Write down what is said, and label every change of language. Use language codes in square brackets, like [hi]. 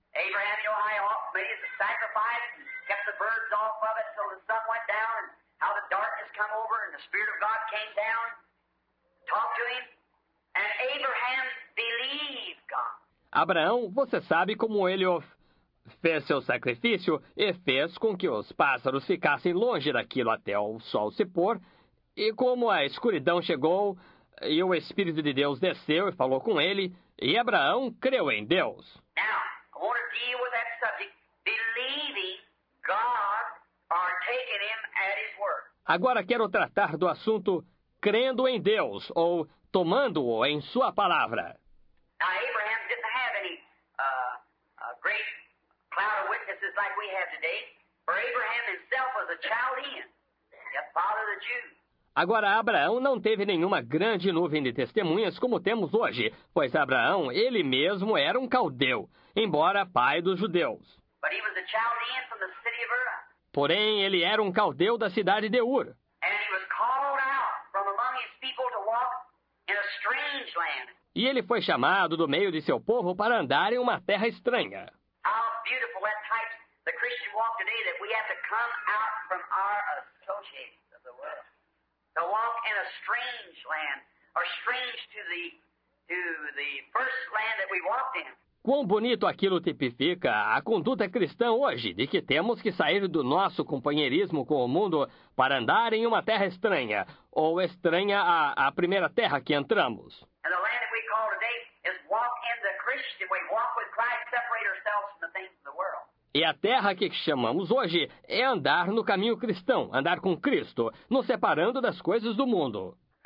[en] Abraham e o high made a sacrifice and kept the birds off of it till the sun went down, and how the darkness came over and the Spirit of God came down, talked to him, and Abraham believed God. [pt] Abraão, você sabe como ele fez seu sacrifício e fez com que os pássaros ficassem longe daquilo até o sol se pôr. E como a escuridão chegou e o Espírito de Deus desceu e falou com ele, e Abraão creu em Deus. [en] Now, I want to deal with that subject, believing God or taking him at his word. [pt] Agora quero tratar do assunto crendo em Deus ou tomando-o em sua palavra. [en] Now, Abraham didn't have any great cloud of witnesses like we have today. For Abraham himself was a Chaldean, the father of the Jews. [pt] Agora, Abraão não teve nenhuma grande nuvem de testemunhas como temos hoje, pois Abraão, ele mesmo, era um caldeu, embora pai dos judeus. [en] But he was a Chaldean from the city of Ur. [pt] Porém, ele era um caldeu da cidade de Ur. [en] And he was called out from among his people to walk in a strange land. [pt] E ele foi chamado do meio de seu povo para andar em uma terra estranha. [en] How beautiful that types the Christian walk today that we have to come out from our associates of the world. To walk in a strange land, or strange to the first land that we walked in. [pt] Quão bonito aquilo tipifica a conduta cristã hoje, de que temos que sair do nosso companheirismo com o mundo para andar em uma terra estranha, ou estranha à primeira terra que entramos. [en] And the land that we call today is walk in the Christian way, walk with Christ, separate ourselves from the things of the world. [pt] E a terra que chamamos hoje é andar no caminho cristão, andar com Cristo, nos separando das coisas do mundo.